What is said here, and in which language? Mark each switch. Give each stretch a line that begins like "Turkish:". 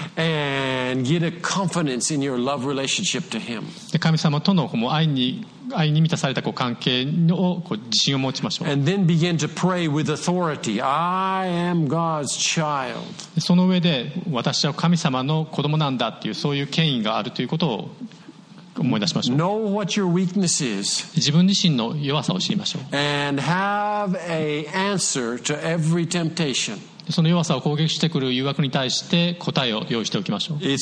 English: And get a confidence in your love relationship to Him.
Japanese: で神様とのこう愛に愛に満たされたこう関係をこう自信を持ちましょう。
English: And then begin to pray with authority. I am God's child.
Japanese: その上で私は神様の子供なんだっていうそういう権威があるということを思い出しましょう。
English: Know what your weakness is.
Japanese: 自分自身の弱さを知りましょう。
English: And have a answer to every temptation.
Japanese: その弱さを攻撃してくる誘惑に対して答えを用意しておきましょう。